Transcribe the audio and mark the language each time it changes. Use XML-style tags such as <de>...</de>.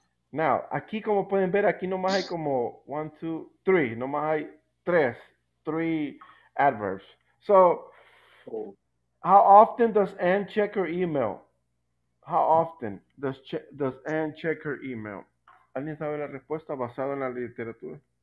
<es>Now, aquí como pueden ver, aquí nomás hay como 1, 2, 3. Nomás hay three adverbs.</es> <en>So, how often does Anne check her email? How often does Anne check her email?</en> <es>¿Alguien sabe la respuesta basada en la literatura?</es>